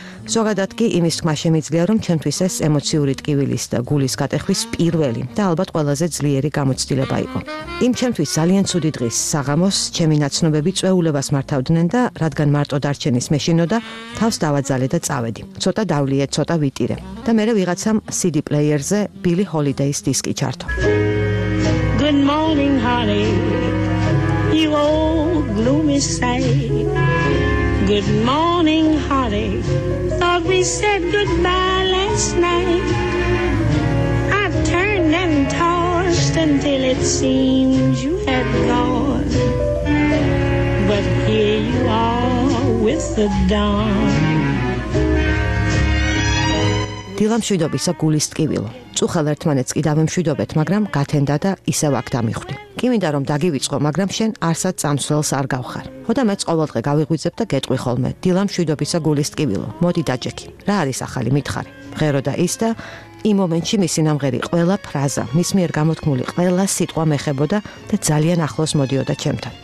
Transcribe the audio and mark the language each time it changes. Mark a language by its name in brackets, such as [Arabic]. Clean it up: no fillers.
[Georgian] ზოგადად კი იმის თქმა შემიძლია, რომ ჩემთვის ეს ემოციური ტკივილის და გულის გატეხვის პირველი და ალბათ ყველაზე ძლიერი გამოცდილება იყო. იმ ჩემთვის ძალიან ცუდი დღის საღამოს ჩემი ნაცნობები წვეულებას მართავდნენ და რადგან მარტო დარჩენის მეშინოდა, თავს დავაძალე და წავედი. ცოტა დავლიე, ცოტა ვიტირე. და მერე ვიღაცამ CD პლეიერზე ბილი ჰოლიდეის დისკი ჩართო. [English] Good morning, honey, you old gloomy sight. Good morning, honey, thought we said goodbye last night. I turned and tossed until it seemed you had gone. But here you are with the dawn. [Georgian] დილამ შვიდობისა გულის ტკივილო. წუხალ ერთმანეთს კი დავემშვიდობეთ, მაგრამ გათენდა და ისევ აქ დამიხვდი. კი მინდა რომ დაგივიწყო, მაგრამ შენ არსად წამსვლელს არ გავხარ. ხო და მე ყოველდღე გავიღვიძებ და გეტყვი ხოლმე. დილა მშვიდობისა გულის ტკივილო. მოდი დაჯექი. რა არის ახალი მითხარი? მღერო და ის და იმ მომენტში მისი ნამღერი ყველა ფრაზა, მის მიერ გამოთქმული ყველა სიტყვა მეხებოდა და ძალიან ახლოს მოდიოდა ჩემთან.